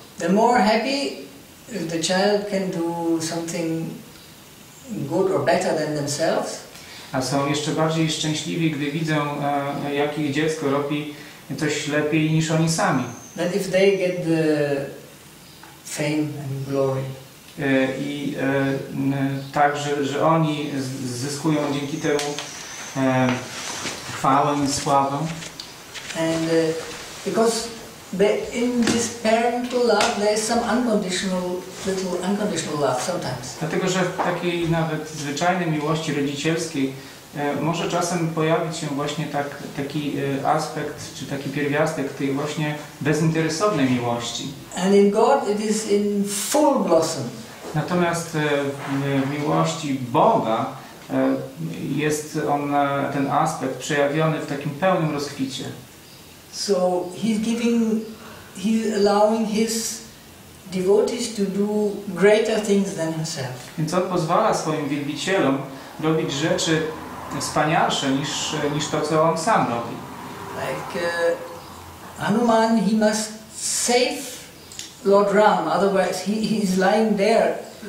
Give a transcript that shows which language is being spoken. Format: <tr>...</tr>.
<en>The more happy the child can do something good or better than themselves.</en> <pl>A są jeszcze bardziej szczęśliwi, gdy widzą, jak ich dziecko robi coś lepiej niż oni sami.</pl> <en>That if they get the fame and glory.</en> <pl>I tak, że oni zyskują dzięki temu chwałę i sławę.</pl> <en>And because they, in this parental love there is some unconditional, little unconditional love sometimes.</en> <pl>Dlatego, że w takiej nawet zwyczajnej miłości rodzicielskiej może czasem pojawić się właśnie taki aspekt, czy taki pierwiastek tej właśnie bezinteresownej miłości.</pl> <en>And in God it is in full blossom.</en> <pl>Natomiast w miłości Boga jest on, ten aspekt przejawiony w takim pełnym rozkwicie.</pl> <en>So he's giving, he's allowing his devotees to do greater things than himself.</en> <pl>Więc on pozwala swoim wielbicielom robić rzeczy wspanialsze niż to, co on sam robi.</pl> <en>Like Hanuman, he must save Lord Ram, otherwise he is lying there.</en>